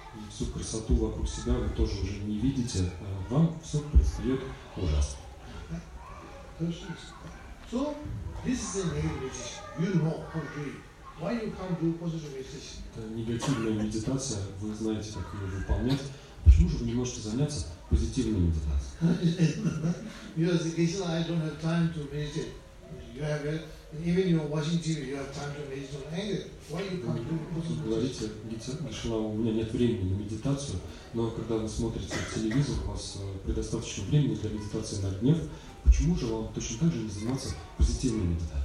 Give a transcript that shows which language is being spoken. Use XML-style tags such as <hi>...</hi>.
<ru>Всю красоту вокруг себя вы тоже уже не видите, а вам все предстает ужасно.</ru> <en>So, this is a negative meditation. You know how to do it. Why you can't do positive meditation?</en> <ru>Это негативная медитация. Вы знаете, как ее выполнять. Почему же вы не можете заняться позитивной медитацией?</ru> <en>Because Krishna, I don't have time to meditate. You have even you're watching TV, you have time to meditate on anger. Why you can't do positive meditation?</en> <ru>Говорите, Krishna, у меня нет времени на медитацию. Но когда вы смотрите телевизор, у вас предостаточно времени для медитации на гнев. Почему же вам точно так же не заниматься позитивной</ru>